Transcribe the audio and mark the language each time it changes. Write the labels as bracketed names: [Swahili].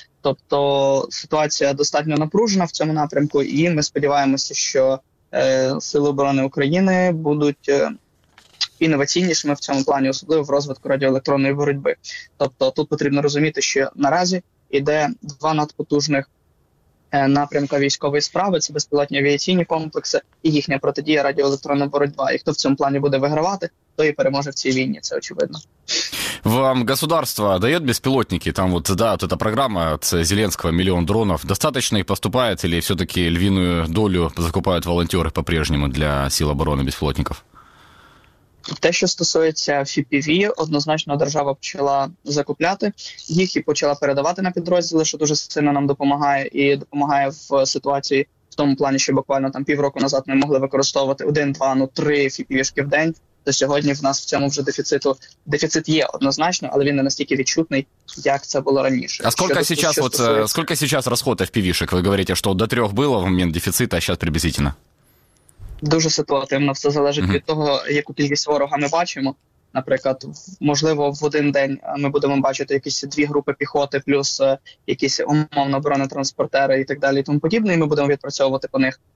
[Ukrainian] Тобто ситуація достатньо напружена в цьому напрямку, і ми сподіваємося, що Сили оборони України будуть інноваційнішими в цьому плані, особливо в розвитку радіоелектронної боротьби. Тобто тут потрібно розуміти, що наразі йде два надпотужних напрямка військової справи – це безпілотні авіаційні комплекси і їхня протидія радіоелектронна боротьба. І хто в цьому плані буде вигравати, хто і переможе в цій війні, це очевидно. [Russian] Вам государство дает беспилотники? Там вот, да, вот эта программа от Зеленского, миллион дронов. Достаточно их поступает или все-таки львиную долю закупают волонтеры по-прежнему для сил обороны беспилотников? [Ukrainian] Те, що стосується FPV, однозначно держава почала закупляти їх і почала передавати на підрозділи, що дуже сильно нам допомагає і допомагає в ситуації в тому плані, що буквально там півроку назад ми могли використовувати 1, 2, 3 FPV-шки в день. То сьогодні в нас в цьому вже дефіцит є однозначно, але він не настільки відчутний, як це було раніше. А скільки [Russian] сейчас расход [Ukrainian] FPV-шок? Ви говорите, що до 3 було в момент дефіциту, а зараз приблизительно? Дуже ситуативно. Все залежить від того, яку кількість ворога ми бачимо. Наприклад, можливо, в один день ми будемо бачити якісь дві групи піхоти, плюс якісь умовно бронетранспортери і так далі, і тому подібне, і ми будемо відпрацьовувати по них.